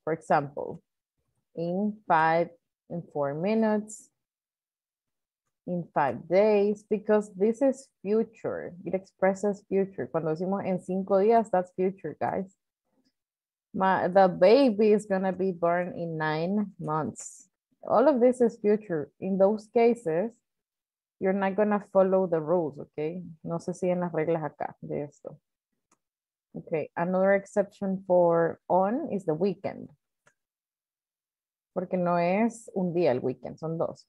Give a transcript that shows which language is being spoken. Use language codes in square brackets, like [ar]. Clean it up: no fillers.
[en] For example, in 5 and 4 minutes, in 5 days, because this is future. It expresses future. [es] Cuando decimos en 5 días, [en] that's future, guys. The baby is gonna be born in 9 months. All of this is future. In those cases, you're not gonna follow the rules, okay? [es] No se siguen las reglas acá de esto. [en] Okay, another exception for on is the weekend. [es] Porque no es un día el weekend, son dos.